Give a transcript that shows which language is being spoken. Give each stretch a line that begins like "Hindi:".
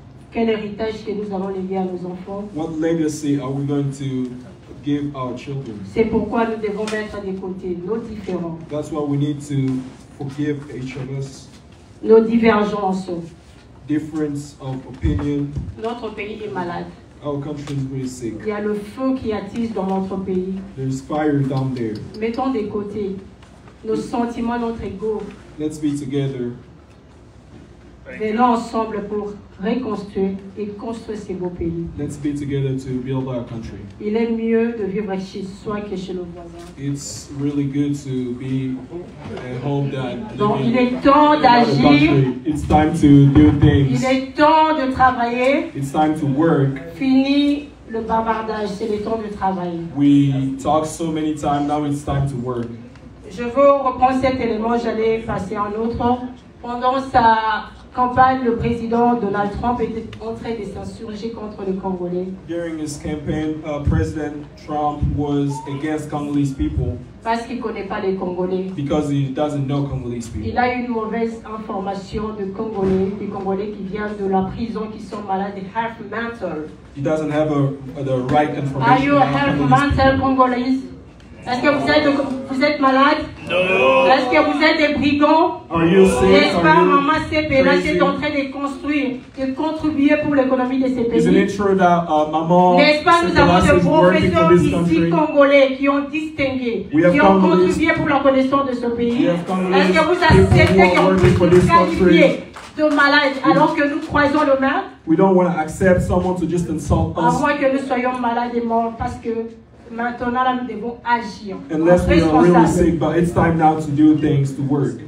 French: Quel héritage que nous allons léguer à nos enfants?
English: What legacy are we going to give our children?
French: C'est pourquoi nous devons mettre de côté nos différences.
English: That's why we need to forgive each of us.
French: Nos divergences.
English: Difference of opinion.
French: Notre pays est malade.
English: Our country is really sick.
French: Il y a le feu qui attise dans notre pays.
English: There's fire down there.
French: Mettons de côté nos sentiments, notre ego.
English: Let's be together.
French: Venons ensemble pour reconstruire et construire ces beaux pays.
English: Let's be together to build our country.
French: Il est mieux de vivre chez soi que chez le voisin.
English: It's really good to be at home that.
French: Donc il est temps d'agir.
English: It's time to do things.
French: Il est temps de travailler.
English: It's time to work.
French: Fini le bavardage, c'est le temps de travailler.
English: We talk so many times, now it's time to work.
French: Je veux reprendre cet élément, j'allais passer un autre. Pendant sa campagne, le président Donald Trump était en train de s'insurger contre les Congolais.
English: During his campaign, President Trump was against Congolese people.
French: Parce qu'il ne connaît pas les Congolais.
English: Because he doesn't know Congolese people.
French: Il a une mauvaise information de Congolais, des Congolais qui viennent de la prison, qui sont malades,
English: half mental. He doesn't have the right information. Are you a half mental Congolese?
French: Est-ce que vous êtes malade? Non. Est-ce que vous êtes des brigands? N'est-ce pas, maman CPLH est en train de construire, de contribuer pour l'économie de ces pays?
English: Isn't it true that, maman
French: n'est-ce pas, nous avons des professeurs ici congolais qui ont distingué, qui ont contribué pour la connaissance de ce pays? Est-ce que vous acceptez qu'ils ont été qualifiés de malades alors que nous croisons le mal?
English: We don't want to accept someone to just insult us.
French: À moins que nous soyons malades et morts parce que maintenant, là, nous devons agir.
English: Unless we are really sick, but it's time now to do things, to work.